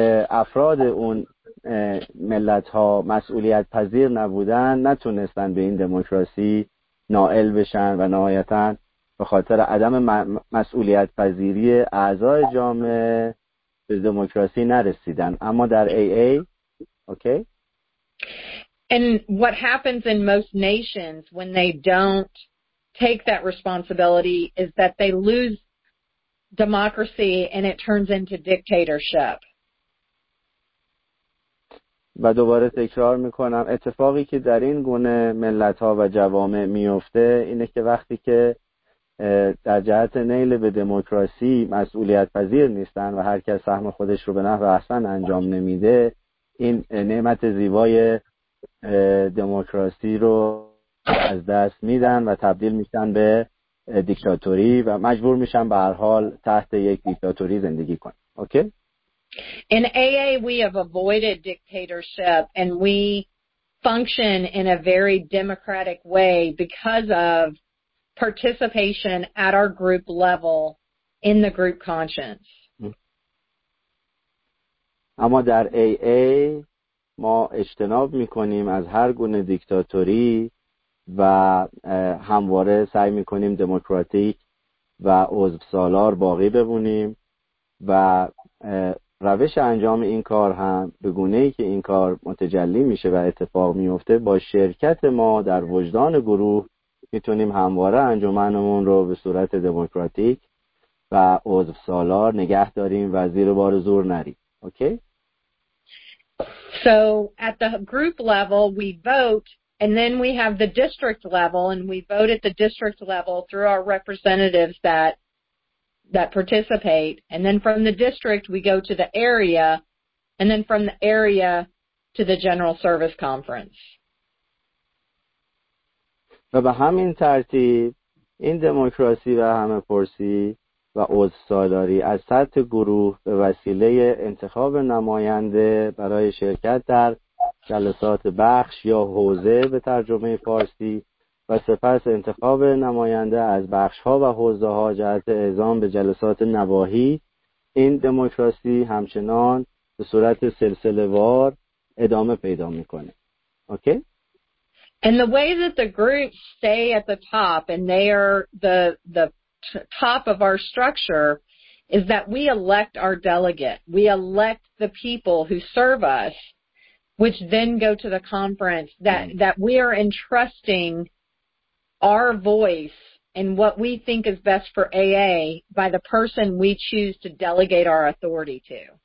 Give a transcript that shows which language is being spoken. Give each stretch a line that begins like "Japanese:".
Persian: افراد اون ملت‌ها مسئولیت پذیر نبودن نتونستن به این دموکراسی نائل بشن و نهایتاً به خاطر عدم مسئولیت پذیری اعضای جامعه به دموکراسی نرسیدن. اما در AA اوکی؟
English: And what happens in most nations when they don't take that responsibility is that they lose democracy and it turns into dictatorship.
Persian: و دوباره تکرار میکنم، اتفاقی که در این گونه ملت‌ها و جوامع میفته اینه که وقتی که در جهت نیل به دموکراسی مسئولیت پذیر نیستن و هر کس سهم خودش رو به نحو احسن انجام نمیده، این نعمت زیبای دموکراسی رو از دست میدن و تبدیل میشن به دیکتاتوری و مجبور میشن به هر حال تحت یک دیکتاتوری زندگی کنن.
English: Okay? In AA, we have avoided dictatorship and we function in a very democratic way because of participation at our group level in the group conscience.
Persian: اما در AA ما اجتناب میکنیم از هر گونه دیکتاتوری و همواره سعی میکنیم دموکراتیک و عضو سالار باقی بمونیم و روش انجام این کار هم به گونه‌ای که این کار متجلی میشه و اتفاق میفته با شرکت ما در وجدان گروه میتونیم همواره انجمنمون رو به صورت دموکراتیک و عضو سالار نگه داریم و زیر بار زور نریم.
English: Okay? So at the group level we vote and then we have the district level and we vote at the district level through our representatives that participate, and then from the district we go to the area, and then from the area to the general service conference.
Persian: و به همین ترتیب این دموکراسی و همه پرسی و عضوسالاری از سطح گروه به وسیله انتخاب نماینده برای شرکت در جلسات بخش یا حوزه به ترجمه فارسی و سپس انتخاب نماینده از بخش ها و حوزه ها جهت اعزام به جلسات نواحی، این دموکراسی همچنان به صورت سلسله وار ادامه پیدا میکنه.
English: Okay? And the way that the groups stay at the top and they are the top of our structure is that we elect our delegate. We elect the people who serve us, which then go to the conference that we are entrusting our voice and what we think is best for AA by the person we choose to delegate our authority to.